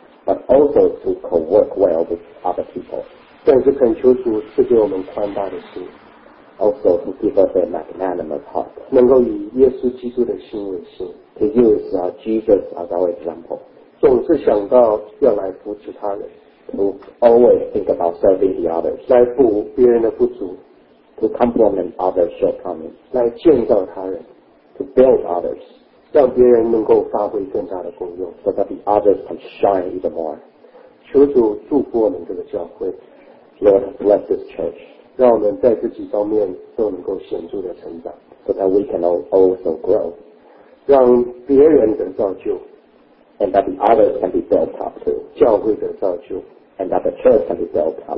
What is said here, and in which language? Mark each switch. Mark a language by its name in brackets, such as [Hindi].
[English] but also to co-work well with other people. [Chinese] 更是恳求主赐给我们宽大的心, [English] also to give us a magnanimous heart, [Chinese] 能够以耶稣基督的心为心, [English] to use Jesus as our example, [Chinese] 总是想到要来扶持他人, [English] to always think about serving the others, [Chinese] 来补别人的不足, [English] to complement others' shortcomings, [Chinese] 来建造他人, [English] to build others, [Chinese] 让别人能够发挥更大的功用, [English] so that the others can shine even more. [Chinese] 求主祝福我们这个教会, [English] Lord, bless this church, [Chinese] 让我们在这几方面都能够显著的成长, [English] so that we can also grow, [Chinese] 让别人得造就, [English] and that the others can be built up too, [Chinese] 教会得造就, [English] and that the church can be built up,